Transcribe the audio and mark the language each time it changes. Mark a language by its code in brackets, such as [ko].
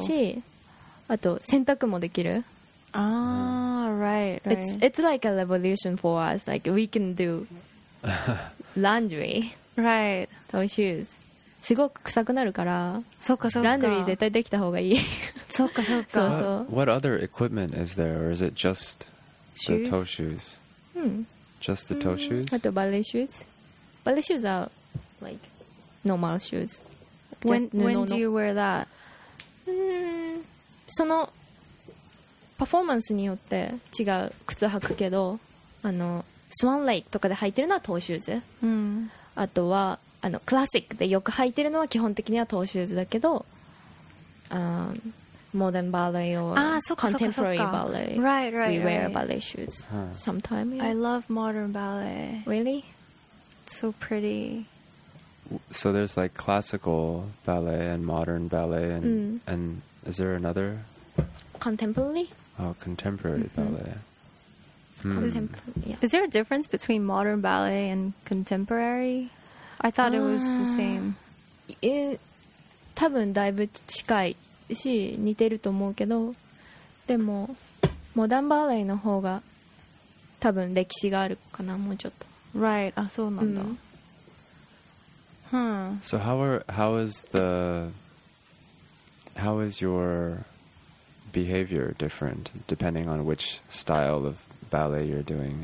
[ja] し。あと洗濯もできる。 [en] Ah, right, right. It's like a revolution for us. Like we can do laundry. Right. Toe shoes. [ja] すごく臭くなるから。そうかそうか。ランドリー絶対できた方がいい。そうかそうか。そうそう。 [en] What other equipment is there, or is it just the toe shoes? Just the toe shoes. [ja] あとバレーシューズ。 [en] バレーシューズ are like normal shoes. When do you wear that? [ja] そのパフォーマンスによって違う靴履くけど、あのスワンレイクとかで履いてるのはトーシューズ、あとはあのクラシックでよく履いてるのは基本的にはトーシューズだけど、モーダンバレーをコンテンポラリーバレー、 [en] right, right, right. We wear ballet shoes sometimes、 yeah. I love modern ballet. Really? So pretty. So there's like classical ballet and modern ballet and、and Is there another? Contemporary? Oh, contemporary ballet. Is there a difference between modern ballet and contemporary? I thought it was the same. [ja] It, 多分だいぶ近いし似てると思うけど、でもモダンバレーの方が多分歴史があるかな、もうちょっと。 [en] Right. [ja] あ、そうなんだ。 [en] So How is your behavior different depending on which style of ballet you're doing?